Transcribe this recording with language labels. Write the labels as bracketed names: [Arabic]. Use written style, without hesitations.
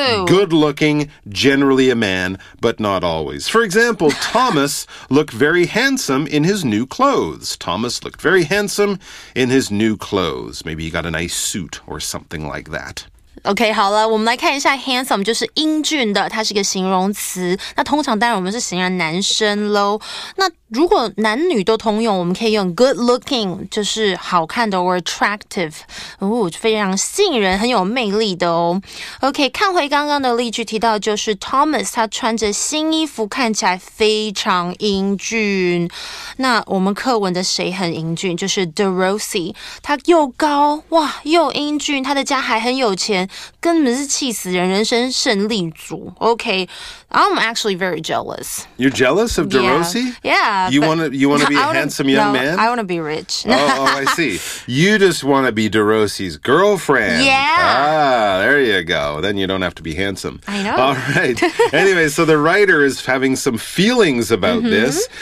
[English] good looking, generally a man, but not always. For example, Thomas looked very handsome in his new clothes. Thomas looked very handsome in his new clothes. Maybe he got a nice suit or something like that. [Chinese] Okay, 好了，我们来看一下 handsome 就是英俊的，它是一个形容词。那通常当然我们是形容男生咯。那如果男女都通用，我们可以用 good looking 就是好看的 [English] or attractive [Chinese] 哦，非常吸引人，很有魅力的哦。 OK， 看回刚刚的例句，提到就是 Thomas 他穿着新衣服，看起来非常英俊。那我们课文的谁很英俊？就是 DeRozzi， 他又高哇，又英俊，他的家还很有钱。根本是气死人，人生胜利组。 [English] Okay, I'm actually very jealous. You're jealous of DeRozzi? Yeah. You want to be a handsome young man? I want to be rich. Oh, I see. You just want to be DeRozzi's girlfriend. Yeah. Ah, there you go. Then you don't have to be handsome. I know. All right. Anyway, so the writer is having some feelings about this.